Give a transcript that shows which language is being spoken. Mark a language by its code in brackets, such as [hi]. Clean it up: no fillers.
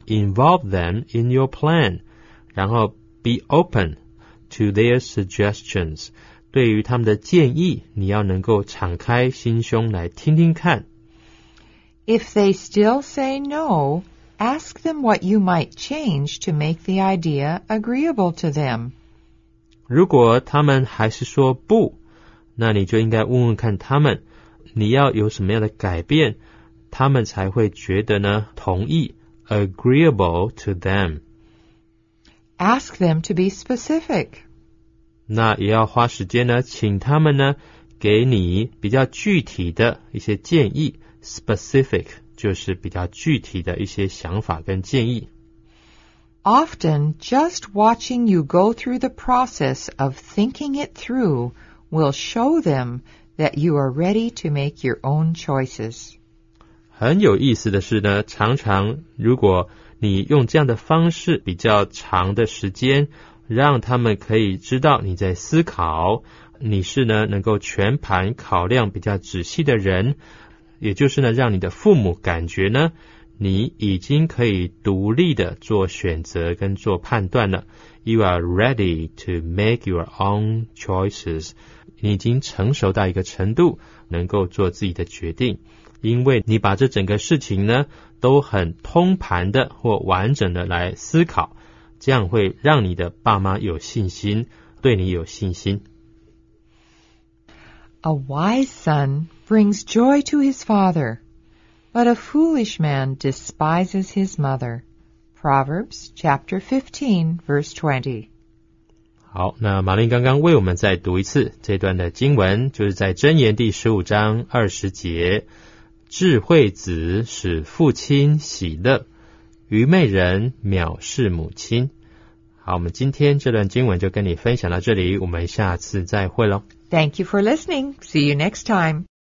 [en] Involve them in your plan. 然后 be open to their suggestions. [zh] 对于他们的建议，你要能够敞开心胸来听听看。 [en] If they still say no, ask them what you might change to make the idea agreeable to them. [zh] 如果他们还是说不，那你就应该问问看他们，你要有什么样的改变，他们才会觉得呢，同意 [en] agreeable to them. Ask them to be specific. [zh] 那也要花时间呢，请他们呢给你比较具体的一些建议。 Specific 就是比较具体的一些想法跟建议。 [en] Often, just watching you go through the process of thinking it through will show them that you are ready to make your own choices. [zh] 很有意思的是呢，常常如果你用这样的方式比较长的时间。让他们可以知道你在思考，你是呢能够全盘考量比较仔细的人，也就是呢让你的父母感觉呢你已经可以独立的做选择跟做判断了。 [en] You are ready to make your own choices. [zh] 你已经成熟到一个程度，能够做自己的决定，因为你把这整个事情呢都很通盘的或完整的来思考。这样会让你的爸妈有信心，对你有信心。 [en] A wise son brings joy to his father, but a foolish man despises his mother. Proverbs chapter 15, verse 20. [zh] 好，那玛琳刚刚为我们再读一次这段的经文，就是在箴言第15章20节，智慧子使父亲喜乐。愚昧人藐视母亲。好，我们今天这段经文就跟你分享到这里，我们下次再会咯。 [en] Thank you for listening. See you next time.